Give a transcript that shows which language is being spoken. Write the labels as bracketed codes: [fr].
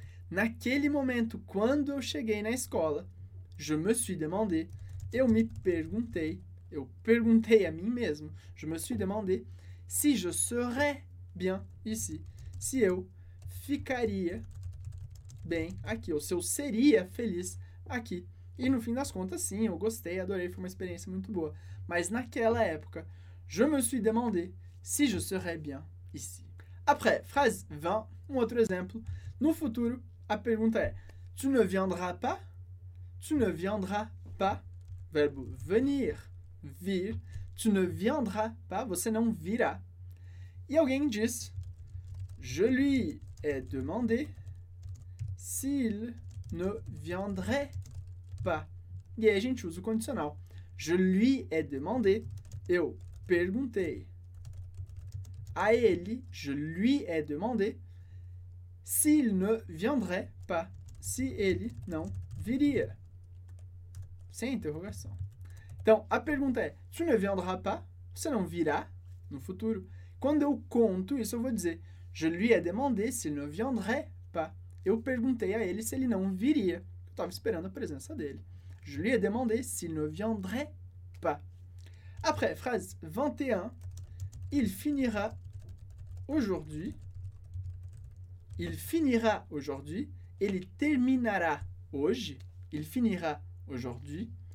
[pt] Naquele momento, quando eu cheguei na escola, [fr] je me suis demandé, [pt] eu me perguntei, eu perguntei a mim mesmo, [fr] je me suis demandé si je serais bien ici, [pt] se eu ficaria bem aqui, ou se eu seria feliz aqui. E no fim das contas, sim, eu gostei, adorei, foi uma experiência muito boa. Mas naquela época, [fr] je me suis demandé si je serais bien ici. Après, phrase 20, [pt] um outro exemplo. No futuro, a pergunta é, [fr] tu ne viendras pas? Tu ne viendras pas? Verbo venir, vir. Tu ne viendras pas? [pt] Você não virá. E alguém diz, [fr] je lui ai demandé s'il ne viendrait pas. [pt] E aí a gente usa o condicional. [fr] Je lui ai demandé, [pt] eu perguntei a ele, je lui ai demandé, [fr] s'il ne viendrait pas, [pt] se ele não viria. Sem interrogação. Então, a pergunta é, [fr] tu ne viendras pas, [pt] você não virá no futuro. Quando eu conto isso, eu vou dizer, [fr] je lui ai demandé s'il ne viendrait pas, [pt] Eu perguntei a ele se ele não viria. Eu estava esperando a presença dele. [fr] Je lui ai demandé s'il ne viendrait pas. Après, phrase 21. Il finira aujourd'hui. Il finira aujourd'hui. [pt] Ele terminará hoje. [fr] Il finira aujourd'hui.